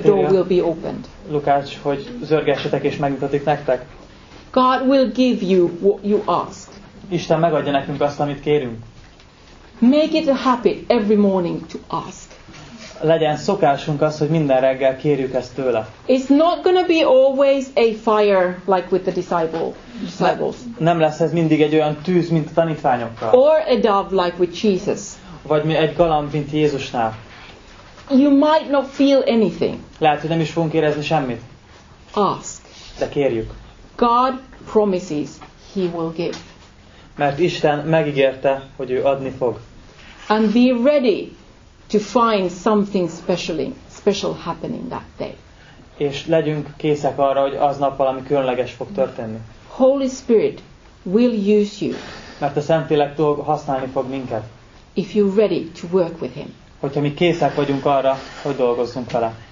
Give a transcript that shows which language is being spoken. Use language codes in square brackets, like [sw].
[en] the door will be opened. [hu] Lukács, hogy zörgessetek és megnyitatik nektek. [en] God will give you what you ask. [hu] Isten megadja nekünk azt, amit kérünk. [en] Make it a habit every morning to ask. [hu] Legyen szokásunk az, hogy minden reggel kérjük ezt tőle. [en] It's not gonna be always a fire like with the disciples. [hu] Nem lesz ez mindig egy olyan tűz, mint a tanítványokkal. [en] Or a dove like with Jesus. [hu] Vagy mi egy galamb, mint Jézusnál. [en] You might not feel anything. [hu] Lehet, hogy nem is fogunk érezni semmit. [en] Ask. [hu] De kérjük. [en] God promises he will give. [hu] Mert Isten megígérte, hogy ő adni fog. [en] And be ready to find something special happening that day. [hu] És legyünk készek arra, hogy aznap valami különleges fog történni. [en] Holy Spirit will use you. [hu] Mert a Szentlélek használni fog minket. [en] If you're ready to work with him. [hu] Hogyha mi készek vagyunk arra, hogy dolgozzunk vele.